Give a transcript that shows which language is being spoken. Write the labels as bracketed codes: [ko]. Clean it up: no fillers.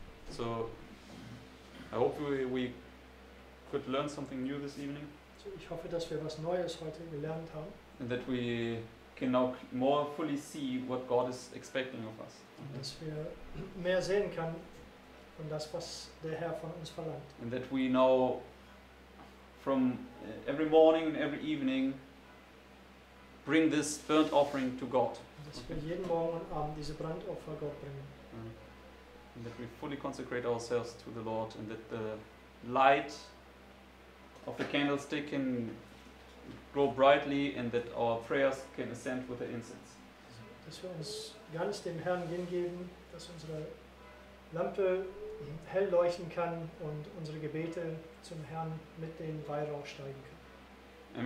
[en] So, I hope we could learn something new this evening. [de] So ich hoffe, dass wir was Neues heute gelernt haben. [en] And that we can now more fully see what God is expecting of us. [de] Und dass wir mehr sehen können von das, was der Herr von uns verlangt. [en] And that we now, from every morning and every evening, bring this burnt offering to God. [de] Dass wir jeden Morgen und Abend diese Brandopfer Gott bringen. Mm. [en] And that we fully consecrate ourselves to the Lord and that the light of the candlestick can grow brightly and that our prayers can ascend with the incense. [de] Dass wir uns ganz dem Herrn hingeben, dass unsere Lampe hell leuchten kann und unsere Gebete zum Herrn mit dem Weihrauch steigen können.